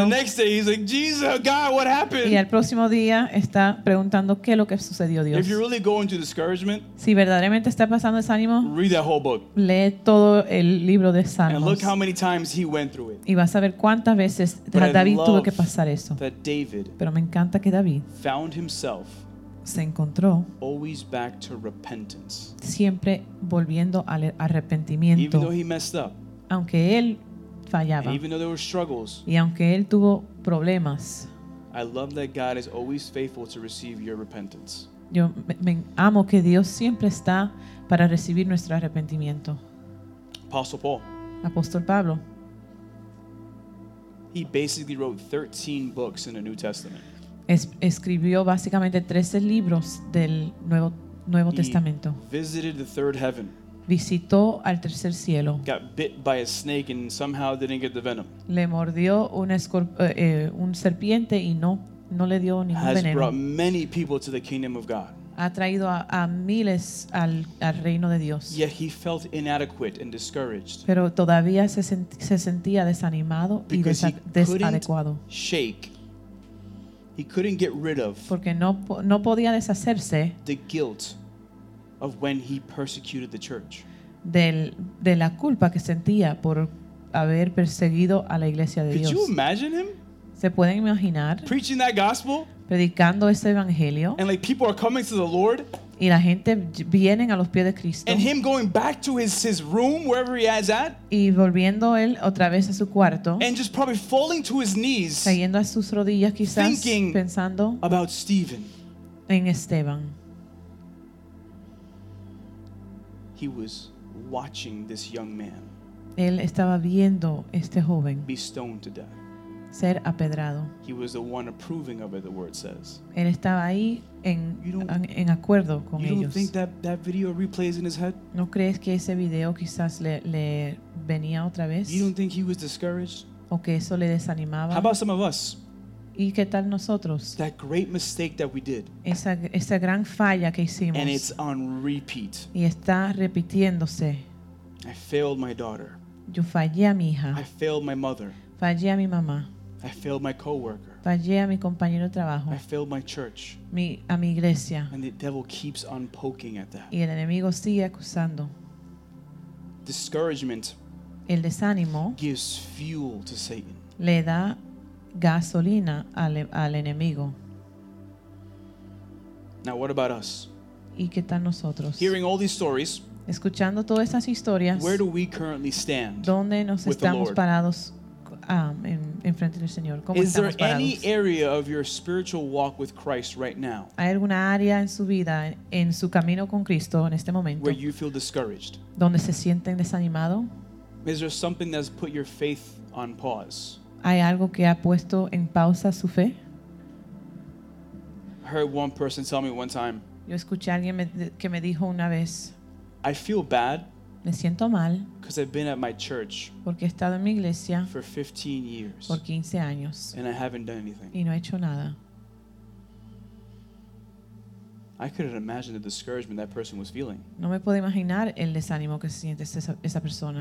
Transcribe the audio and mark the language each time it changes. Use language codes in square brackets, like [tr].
[en] And the next day he's like, Jesus, God, what happened? [es] Y al próximo día está preguntando qué es lo que sucedió, Dios. [en] If you're really going to discouragement, [es] si verdaderamente está pasando desánimo, [en] read that whole book. [es] Lee todo el libro de Salmos. [en] And look how many times he went through it. [es] Y vas a ver cuántas veces David tuvo que pasar eso. [en] That David, [es] pero me encanta que David [en] found himself. [es] Se encontró [en] always back to repentance. [es] Siempre volviendo al arrepentimiento. [en] Even though he messed up, [es] aunque él fallaba. [en] And even though there were struggles, [es] y aunque él tuvo problemas. [en] I love that God is always faithful to receive your repentance. [es] Yo me amo que Dios siempre está para recibir nuestro arrepentimiento. [en] Apostle Paul. [es] Apóstol Pablo. [en] He basically wrote 13 books in the New Testament. [es] Escribió básicamente 13 libros del Nuevo Testamento. [en] Visited the third heaven. [es] Visitó al tercer cielo. [en] Got bit by a snake and somehow didn't get the venom. [es] Le mordió un serpiente y no le dio ningún [en] has [es] veneno. [en] Has brought many people to the kingdom of God. [es] Ha traído a miles al reino de Dios. [en] Yet he felt inadequate and discouraged. [es] Pero todavía se sentía desanimado y desadecuado. [en] He couldn't get rid of [es] porque no podía deshacerse [en] the guilt of when he persecuted the church. [es] De la culpa que sentía por haber perseguido a la iglesia de [en] Could [es] Dios. [en] Could you imagine him? [es] ¿Se pueden imaginar? [en] Preaching that gospel? [es] Predicando ese evangelio. [en] And like people are coming to the Lord? [es] Y la gente vienen a los pies de Cristo. [en] And him going back to his room wherever he is at? [es] Y volviendo él otra vez a su cuarto. [en] And just probably falling to his knees. [es] Cayendo a sus rodillas quizás [en] thinking [es] pensando [en] about Stephen. [es] En Esteban. [en] He was watching this young man. [es] Él estaba viendo este joven. [en] Be stoned to death. [es] Ser apedrado. [en] He was the one approving of it, the word says. [es] Él estaba ahí en acuerdo con [en] you [es] ellos. [en] You don't think that video replays in his head? [es] ¿No crees que ese video quizás le venía otra vez? [en] You don't think he was discouraged? [es] ¿O que eso le desanimaba? [en] How about some of us? [es] ¿Y qué tal nosotros? [en] That great mistake that we did. [es] Esa gran falla que hicimos. [en] And it's on repeat. [es] Y está repitiéndose. [en] I failed my daughter. [es] Yo fallé a mi hija. [en] I failed my mother. [es] Fallé a mi mamá. [en] I failed my coworker. [es] Fallé a mi compañero de trabajo. [en] I failed my church. [es] A mi iglesia. [en] And the devil keeps on poking at that. [es] Y el enemigo sigue acusando. [en] Discouragement. [es] El desánimo. [en] Gives fuel to Satan. [es] Le da gasolina al enemigo. [en] Now what about us? [es] ¿Y qué tal nosotros? [en] Hearing all these stories. [es] Escuchando todas esas historias. [en] Where do we currently stand? [es] ¿Dónde nos estamos parados? En frente del Señor. ¿Cómo [en] Is there [es] parados? [en] Any area of your spiritual walk with Christ right now? [es] ¿Hay alguna área en su vida, en su camino con Cristo, en este momento? [en] Where you feel discouraged? [es] ¿Donde se sienten desanimado? [en] Is there something that's put your faith on pause? [es] ¿Hay algo que ha puesto en pausa su fe? [en] I heard one person tell me one time. [es] Yo escuché a alguien que me dijo una vez. [en] I feel bad. [es] Me siento mal [en] because I've been at my church [es] porque he estado en mi iglesia [en] for 15 years [es] por 15 años [en] and I haven't done anything [es] y no he hecho nada. [en] I couldn't imagine the discouragement that person was feeling. [es] No me puedo imaginar el desánimo que siente esa persona.